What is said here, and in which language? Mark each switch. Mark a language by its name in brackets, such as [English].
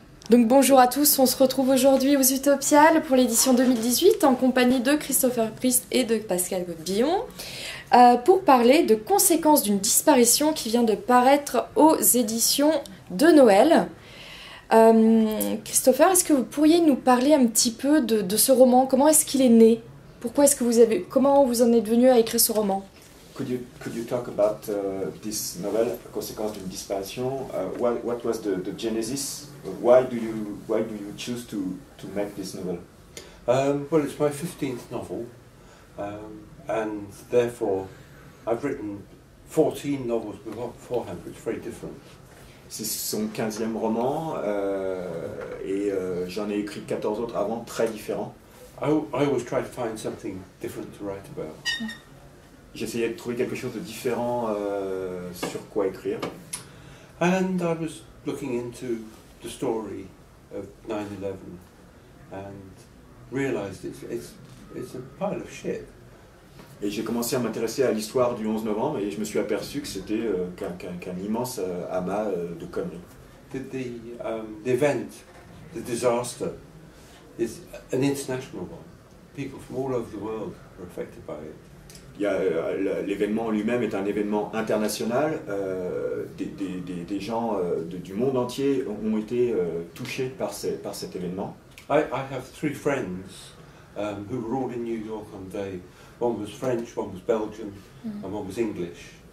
[French] Donc bonjour à tous, on se retrouve aujourd'hui aux Utopiales pour l'édition 2018 en compagnie de Christopher Priest et de Pascal Billon pour parler de conséquences d'une disparition qui vient de paraître aux éditions de Noël. Christopher, est-ce que vous pourriez nous parler un petit peu de ce roman? Comment est-ce qu'il est né? Pourquoi est-ce que vous avez... Comment vous en êtes venu à écrire ce roman? [English] Could you talk about this novel, Consequence d'une disparition? What was the genesis? Why do you choose to make this novel? Well, it's my 15th novel, and therefore I've written 14 novels beforehand, which is very different. [French] C'est son 15e roman, et j'en ai écrit 14 autres avant, très différents. [English] I always try to find something different to write about. [French] J'essayais de trouver quelque chose de différent sur quoi écrire. [English] And I was looking into the story of 9/11 and realized it's a pile of shit. [French] Et j'ai commencé à m'intéresser à l'histoire du 11 novembre et je me suis aperçu que c'était qu'un immense amas de conneries. [English] The event, the disaster, is an international one. People from all over the world are affected by it. [French] L'événement lui-même est un événement international. Des gens du monde entier ont été touchés par cet événement. [English] I have three friends who were all in New York on the day. One was French, one was Belgian, and one was English.